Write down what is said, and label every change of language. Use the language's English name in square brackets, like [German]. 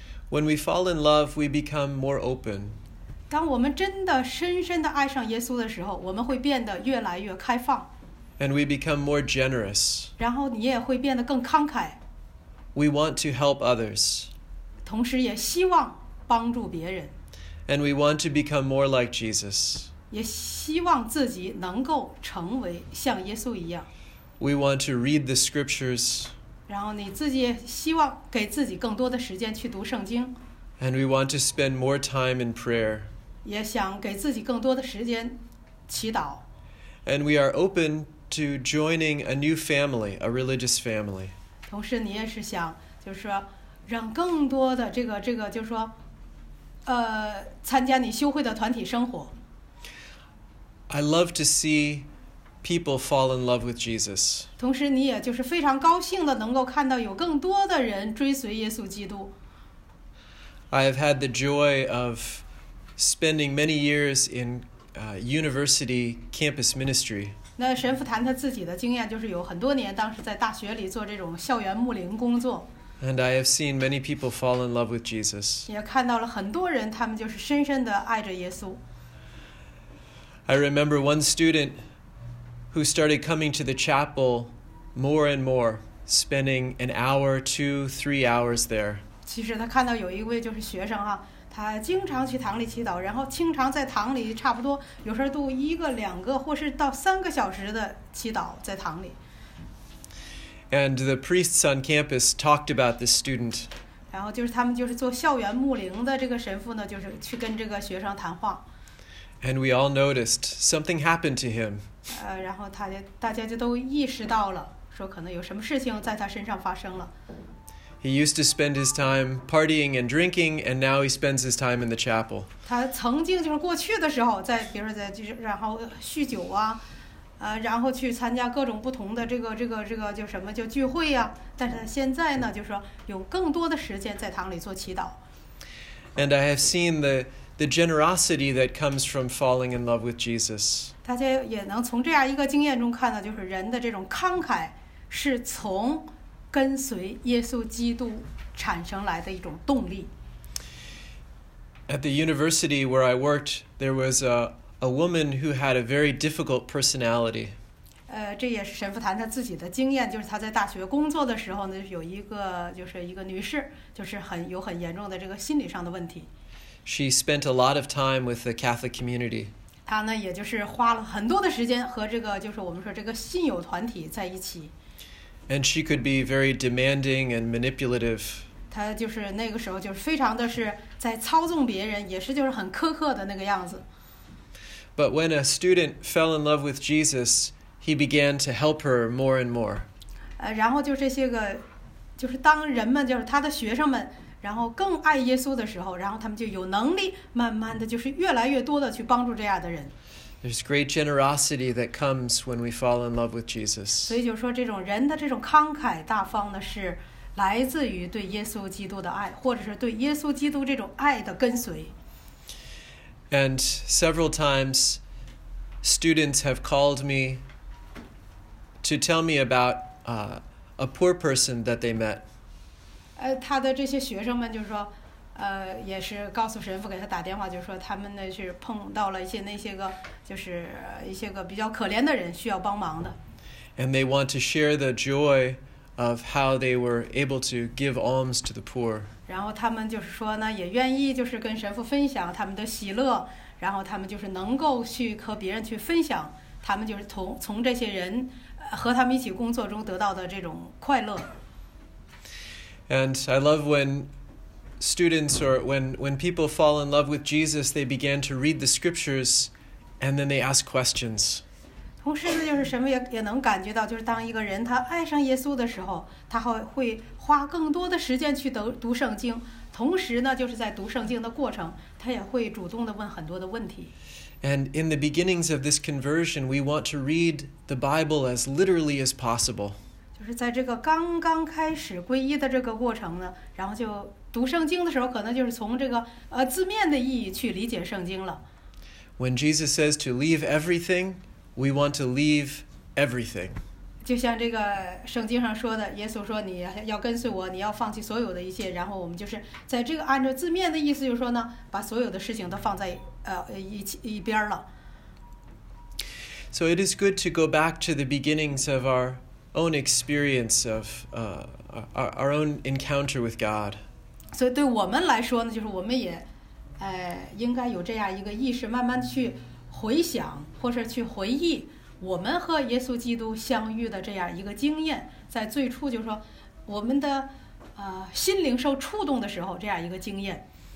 [English] When we fall in love, we become more open. [Chinese] 当我们真的深深的爱上耶稣的时候，我们会变得越来越开放。 [English] And we become more generous. [Chinese] 然后你也会变得更慷慨。 [English] We want to help others. [Chinese] 同时也希望帮助别人。 [English] And we want to become more like Jesus. [Chinese] 也希望自己能够成为像耶稣一样。 [English] We want to read the scriptures. [Chinese] 然后你自己也希望给自己更多的时间去读圣经。 [English] And we want to spend more time in prayer. [Chinese] 也想给自己更多的时间祈祷。 [English] And we are open to joining a new family, a religious family. [Chinese] 同时你也是想就是说让更多的这个就是说参加你修会的团体生活。 [English] I love to see people fall in love with Jesus. [Chinese] 同时你也就是非常高兴的能够看到有更多的人追随耶稣基督。 [English] I have had the joy of spending many years in university campus ministry. [Chinese] 那神父谈他自己的经验，就是有很多年当时在大学里做这种校园牧灵工作。 [English] And I have seen many people fall in love with Jesus. [Chinese] 也看到了很多人，他们就是深深的爱着耶稣。 [English] I remember one student who started coming to the chapel more and more, spending an hour, two, 3 hours there. [Chinese] 其实他看到有一位就是学生啊，他经常去堂里祈祷，然后经常在堂里差不多有时候度一个、两个或是到三个小时的祈祷在堂里。 [English] And the priests on campus talked about this student. [Chinese] 然后就是他们就是做校园牧灵的这个神父呢，就是去跟这个学生谈话。 [English] And we all noticed something happened to him. [Chinese] 然后大家就都意识到了，说可能有什么事情在他身上发生了。 [English] He used to spend his time partying and drinking, and now he spends his time in the chapel. [Chinese] 他曾经就是过去的时候，在比如说在就是然后酗酒啊。然后去参加各种不同的这个就什么就聚会呀、啊、但是现在呢就是说有更多的时间在堂里做祈祷。 [English] And I have seen the generosity that comes from falling in love with Jesus. [Chinese] 大家也能从这样一个经验中看到就是人的这种慷慨是从跟随耶稣基督产生来的一种动力。 [English] At the university where I worked, there was a woman who had a very difficult personality. [Chinese] 这也是神父谈他自己的经验，就是他在大学工作的时候呢，有一个就是一个女士，就是很严重的这个心理上的问题。 [English] She spent a lot of time with the Catholic community. [Chinese] 她呢，也就是花了很多的时间和这个就是我们说这个信友团体在一起。 [English] And she could be very demanding and manipulative. [Chinese] 她就是那个时候就是非常的是在操纵别人，也是就是很苛刻的那个样子。 [English] But when a student fell in love with Jesus, he began to help her more and more. [Chinese] 然后就这些个，就是当人们就是他的学生们，然后更爱耶稣的时候，然后他们就有能力慢慢的就是越来越多的去帮助这样的人。 [English] There's great generosity that comes when we fall in love with Jesus. [Chinese] 所以就说这种人的这种慷慨大方呢，是来自于对耶稣基督的爱，或者是对耶稣基督这种爱的跟随。 [English] And several times, students have called me to tell me about a poor person that they met. [Chinese] 他的这些学生们就是说，也是告诉神父给他打电话，就是说他们呢是碰到了一些那些个就是一些个比较可怜的人需要帮忙的。 [English] And they want to share the joy of how they were able to give alms to the poor. [Chinese] 然后他们就是说呢，也愿意就是跟神父分享他们的喜乐，然后他们就是能够去和别人去分享，他们就是从这些人和他们一起工作中得到的这种快乐。 [English] And I love when students or when people fall in love with Jesus, they began to read the scriptures, and then they ask questions. [Chinese] 同时呢，就是神父也能感觉到，就是当一个人他爱上耶稣的时候，他会。花更多的时间去读圣经，同时呢，就是在读圣经的过程，他也会主动的问很多的问题。 [English] And in the beginnings of this conversion, we want to read the Bible as literally as possible. [Chinese] 就是在这个刚刚开始皈依的这个过程呢，然后就读圣经的时候，可能就是从这个字面的意义去理解圣经了。 [English] When Jesus says to leave everything, we want to leave everything. [Chinese] 就像这个圣经上说的，耶稣说你要跟随我，你要放弃所有的一切，然后我们就是在这个按照字面的意思就是说呢，把所有的事情都放在一边了。 [English] So it is good to go back to the beginnings of our own experience of our own encounter with God. [Chinese] 所以对我们来说呢，就是我们也应该有这样一个意识，慢慢去回想或者去回忆。我们和耶稣基督相遇的这样一个经验，在最初就是说，我们的心灵受触动的时候，这样一个经验。